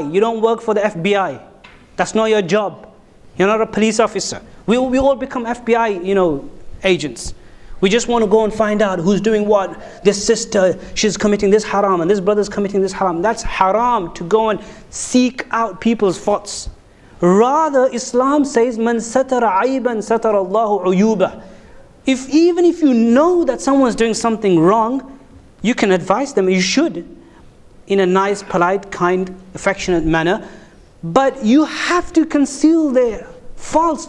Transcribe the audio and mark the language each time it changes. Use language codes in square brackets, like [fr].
[en] You don't work for the FBI. That's not your job. You're not a police officer. We all become FBI, you know, agents. We just want to go and find out who's doing what. This sister, she's committing this haram, and this brother's committing this haram. That's haram, to go and seek out people's faults. Rather, Islam says, [ar] مَنْ سَتَرَ عَيْبًا سَتَرَ اللَّهُ عُيُوبًا. [en] Even if you know that someone's doing something wrong, you can advise them, you should, in a nice, polite, kind, affectionate manner. But you have to conceal their faults.